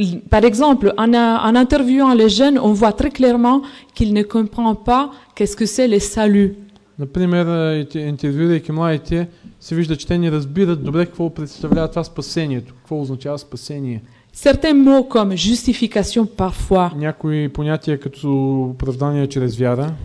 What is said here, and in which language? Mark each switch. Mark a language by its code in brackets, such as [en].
[fr] Par exemple, en interviewant les jeunes, on voit très clairement qu'ils ne comprennent pas qu'est-ce que c'est le salut. [bg] Например, интервюирайки младите, се вижда, че те не разбират добре какво представлява това спасението, какво означава спасение. [fr] Certains mots comme justification parfois. [bg] Някои понятия като оправдание чрез вяра.